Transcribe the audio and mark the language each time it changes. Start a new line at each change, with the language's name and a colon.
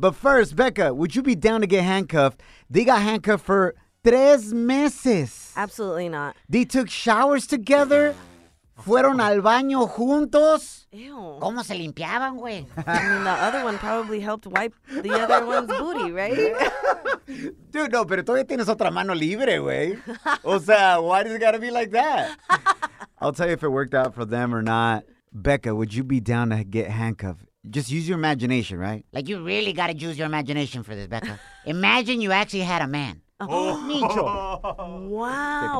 English: But first, Becca, would you be down to get handcuffed? They got handcuffed for 3 meses. Absolutely not. They took showers together.
Spanish: Fueron al baño juntos.
English: Ew.
Spanish: ¿Cómo se limpiaban, güey?
English: I mean, the other one probably helped wipe the other one's booty, right?
Spanish: Dude, no, pero todavía tienes otra mano libre, güey. O sea,
English: why does it gotta be like that? I'll tell you if it worked out for them or not. Becca, would you be down to get handcuffed? Just use your imagination, right? Like, you really gotta use your imagination for this, Becca. Imagine you actually had a man. Oh, Nicho. Wow.